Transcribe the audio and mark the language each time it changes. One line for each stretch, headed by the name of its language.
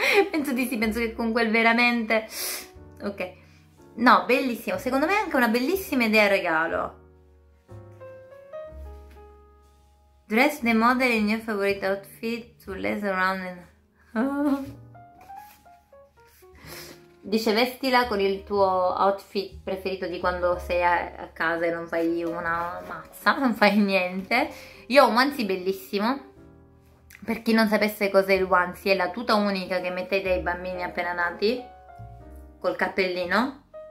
Italian: Penso di sì, penso che con quel veramente. Ok. No, bellissimo. Secondo me è anche una bellissima idea regalo.
English: Dress the model in your favorite outfit to laze around in...
Italian: Dice vestila con il tuo outfit preferito di quando sei a casa e non fai una mazza, non fai niente. Io ho un onesie bellissimo. Per chi non sapesse cos'è il onesie, è la tuta unica che mettete ai bambini appena nati col cappellino.